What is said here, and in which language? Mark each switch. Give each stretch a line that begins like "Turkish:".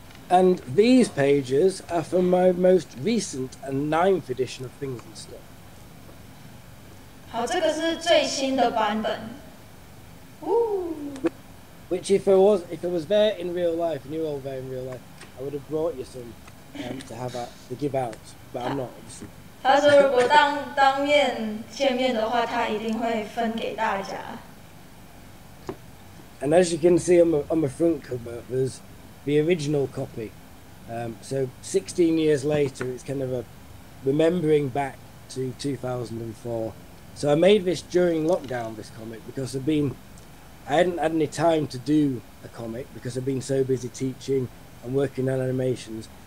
English: And these pages are from my most recent and 9th edition of Things and Stuff.
Chinese: 好，这个是最新的版本。 Woo!
English: Which if I was there in real life, and you were all there in real life, I would have brought you some to give out, but I'm not, obviously.
Chinese: 他说如果当面见面的话，他一定会分给大家。
English: And as you can see on the front cover, there's the original copy. So 16 years later, it's kind of a remembering back to 2004. So I made this during lockdown, this comic, because I hadn't had any time to do a comic because I've been so busy teaching and working on animations.